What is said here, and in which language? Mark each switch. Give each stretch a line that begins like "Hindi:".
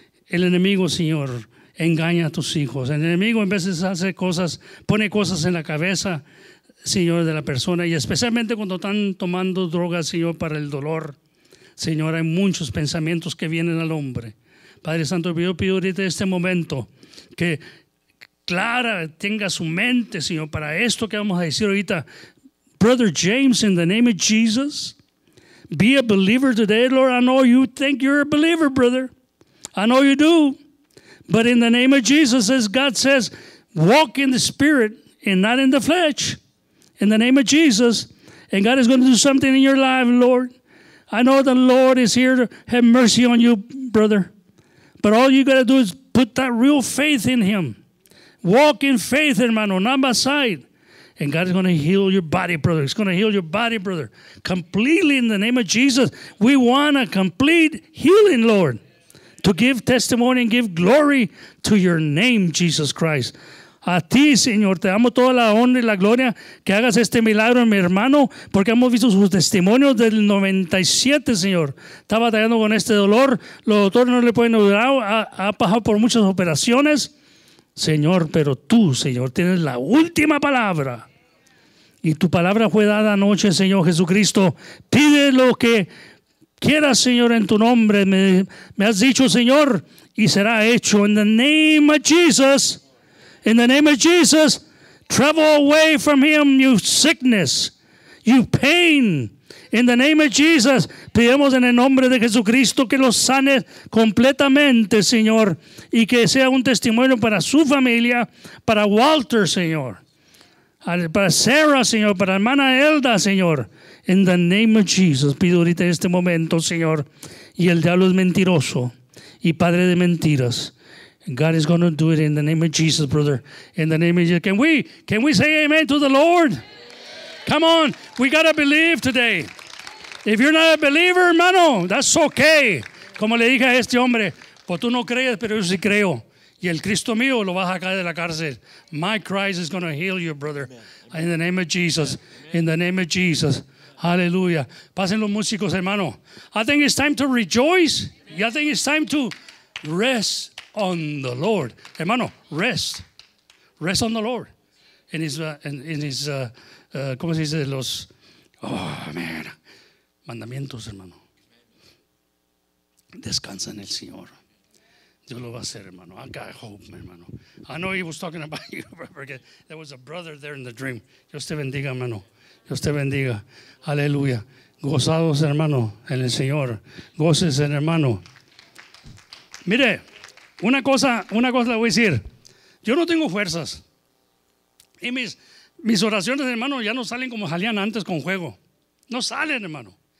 Spanish: El enemigo, Señor, engaña a tus hijos. El enemigo en veces hace cosas, pone cosas en la cabeza, Señor, de la persona. Y especialmente cuando están tomando drogas, Señor, para el dolor. Señor, hay muchos pensamientos que vienen al hombre. Padre Santo, yo pido ahorita este momento que Clara tenga su mente, Señor, para esto que vamos a decir ahorita.
English: Brother James, in the name of Jesus, be a believer today, Lord. I know you think you're a believer, brother. I know you do. But in the name of Jesus, as God says, walk in the spirit and not in the flesh. In the name of Jesus. And God is going to do something in your life, Lord. I know the Lord is here to have mercy on you, brother. But all you got to do is put that real faith in him. Walk in faith, hermano, not by sight. And God is going to heal your body, brother. He's going to heal your body, brother. Completely in the name of Jesus. We want a complete healing, Lord. To give testimony and give glory to your name, Jesus Christ.
Spanish: A ti, Señor, te damos toda la honra y la gloria que hagas este milagro, mi hermano, porque hemos visto sus testimonios del 97, Señor. Está batallando con este dolor. Los doctores no le pueden ayudar. Ha pasado por muchas operaciones. Señor, pero tú, Señor, tienes la última palabra. Y tu palabra fue dada anoche, Señor Jesucristo. Pide lo que quieras, Señor, en tu nombre. Me has dicho, Señor, y será hecho.
English: In the name of Jesus. In the name of Jesus, travel away from him, you sickness, you pain. In the name of Jesus,
Spanish: pedimos en el nombre de Jesucristo que lo sane completamente, Señor, y que sea un testimonio para su familia, para Walter, Señor, para Sarah, Señor, para hermana Elda, Señor.
English: In the name of Jesus,
Spanish: pido ahorita en este momento, Señor, y el diablo es mentiroso y padre de mentiras.
English: God is going to do it in the name of Jesus, brother. In the name of Jesus. Can we say amen to the Lord? Amen. Come on. We got to believe today. If you're not a believer, hermano, that's okay.
Spanish: Como le dije a este hombre, pues tú no crees, pero yo sí creo. Y el Cristo mío lo va a sacar de la cárcel.
English: My Christ is going to heal you, brother. Amen. In the name of Jesus. Amen. In the name of Jesus. Hallelujah.
Spanish: Pasen los músicos, hermano.
English: I think it's time to rejoice. Y I think it's time to rest. On the Lord, hermano, rest. Rest on the Lord.
Spanish: ¿Cómo se dice? Los,
English: oh, man.
Spanish: Mandamientos, hermano. Descansa en el Señor. Dios lo va a hacer, hermano.
English: I got hope, hermano. I know he was talking about you, because there was a brother there in the dream.
Spanish: Dios te bendiga, hermano. Dios te bendiga. Aleluya. Gozados, hermano, en el Señor. Goces, hermano. Mire. Una cosa le voy a decir. Yo no tengo fuerzas. Y mis oraciones, hermano, ya no salen como salían antes con juego. No salen, hermano.